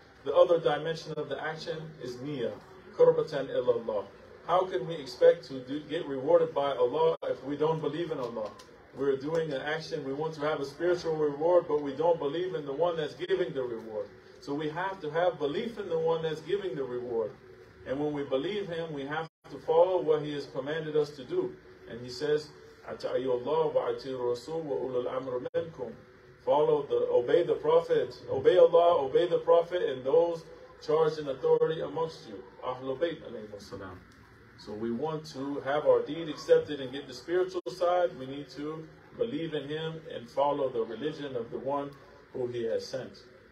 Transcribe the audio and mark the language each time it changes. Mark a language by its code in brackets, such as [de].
[en] The other dimension of the action is niyyah, [ar] qurbatan ilallah. [en] How can we expect to get rewarded by Allah if we don't believe in Allah? We're doing an action. We want to have a spiritual reward, but we don't believe in the one that's giving the reward. So we have to have belief in the one that's giving the reward. And when we believe him, we have to follow what he has commanded us to do. [ar] And he says, أَتَعِيُوا اللَّهُ وَعَتِي الرَّسُولُ وَأُولُوا الْأَمْرُ مِنْكُمْ. [en] Obey the Prophet. Obey Allah, obey the Prophet, and those charged in authority amongst you. [ar] أَهْلُ بَيْتَ عَلَيْهِ السَّلَامُ. [en] So we want to have our deed accepted and get the spiritual side. We need to believe in him and follow the religion of the one who he has sent.